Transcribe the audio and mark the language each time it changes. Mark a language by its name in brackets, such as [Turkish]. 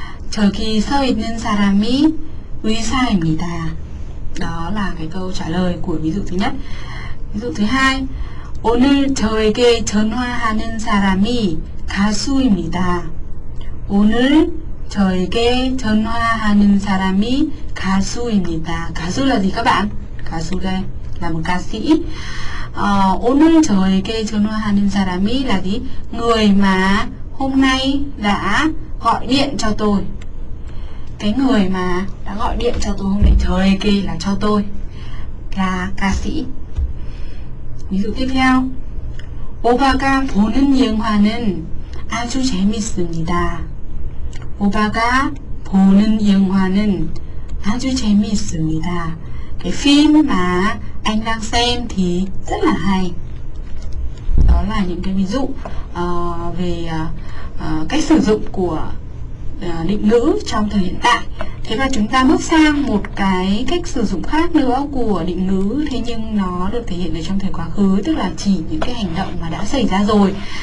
[Korean] 저기 서 있는 사람이 의사입니다. [Vietnamese] Đó là cái câu trả lời của ví dụ thứ nhất. Ví dụ thứ hai. [Korean] 오늘 저에게 전화하는 사람이 가수입니다. 오늘 저에게 전화하는 사람이 가수입니다. [Vietnamese] 가수 là gì các bạn? 가수 là một ca sĩ. [Korean] 오늘 저에게 전화하는 사람이 [Vietnamese] là gì? Người mà hôm nay đã gọi điện cho tôi. Cái người mà đã gọi điện cho tôi hôm nay, [Korean] 저에게 [Vietnamese] là cho tôi, là ca sĩ. Ví dụ tiếp theo. [Korean] 오빠가 보는 영화는 아주 재밌습니다. 오빠가 보는 영화는 아주 재밌습니다. [Vietnamese] Cái phim mà anh đang xem thì rất là hay. Đó là những cái ví dụ về cách sử dụng của định ngữ trong thời hiện tại. Thế và chúng ta bước sang một cái cách sử dụng khác nữa của định ngữ, thế nhưng nó được thể hiện ở trong thời quá khứ, tức là chỉ những cái hành động mà đã xảy ra rồi.